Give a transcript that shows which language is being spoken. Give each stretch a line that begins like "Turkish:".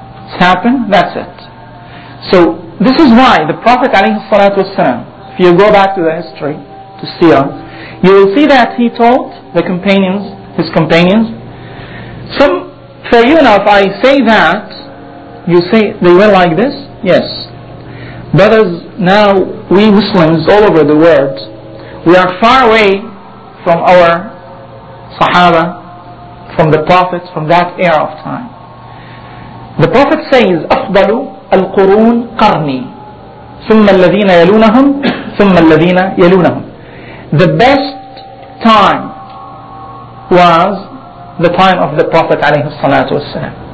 English: It's happened, that's it. So this is why the Prophet ﷺ, if you go back to the history, to Sira, you will see that he told the companions, his companions, some fair enough, if I say that, you say they were like this? Yes. Brothers, now we Muslims all over the world, we are far away from our Sahaba, from the Prophets, from that era of time. The Prophet says,
Arabic: أَفْضَلُ الْقُرُونَ قَرْنِي ثُمَّ الَّذِينَ يَلُونَهُمْ ثُمَّ الَّذِينَ يَلُونَهُمْ.
English: The best time was the time of the Prophet ﷺ.